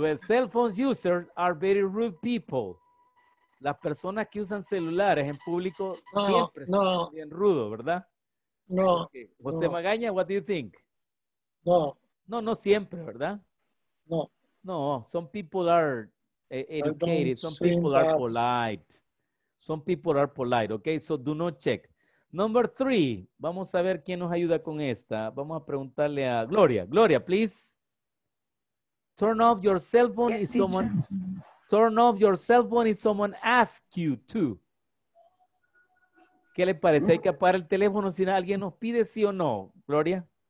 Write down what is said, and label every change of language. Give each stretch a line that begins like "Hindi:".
English: Well, cell phone users are very rude people.
Spanish: Las personas que usan celulares en público son bien rudo, ¿verdad?
English: No. Okay. José no. Magaña, what do you think? No.
Spanish: No, no siempre, ¿verdad? No.
English: No, some people are educated, some people are polite. Some people are polite, okay? So do not check. Number three,
Spanish: vamos a ver quién nos ayuda con esta. Vamos a preguntarle a Gloria.
English: Gloria, please. Turn off your cell phone if someone... Turn off your cell phone if someone asks you to.
Spanish: ¿Qué le parece? ¿Hay que apagar el teléfono si alguien nos pide sí o no, Gloria?